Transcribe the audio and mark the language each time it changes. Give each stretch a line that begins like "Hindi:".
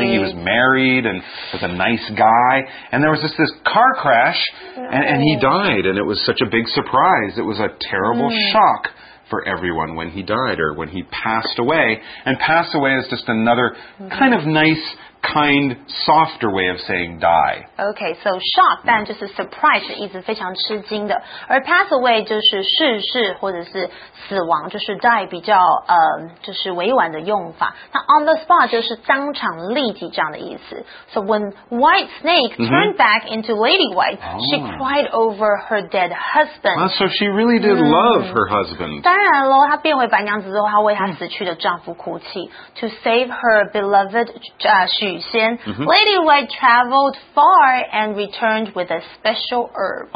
English: I think he was married and was a nice guy. And there was just this car crash and he died. And it was such a big surprise. It was a terrible shock for everyone when he died or when he passed away. And pass away is just another kind of nice, kind, softer way of saying die.
Chinese: Okay, so shock, 但就是 surprise 的意思，非常吃惊的。而 pass away 就是逝世或者是死亡，就是 die 比较就是委婉的用法。那 on the spot 就是当场立即这样的意思。
English: So when White Snake turned back into Lady White, she cried over her dead husband. Well, so she really did love her husband.
Chinese: 当然喽，她变回白娘子之后，她为她死去的丈夫哭泣。
English: To save her beloved, Lady White traveled far and returned with a special herb.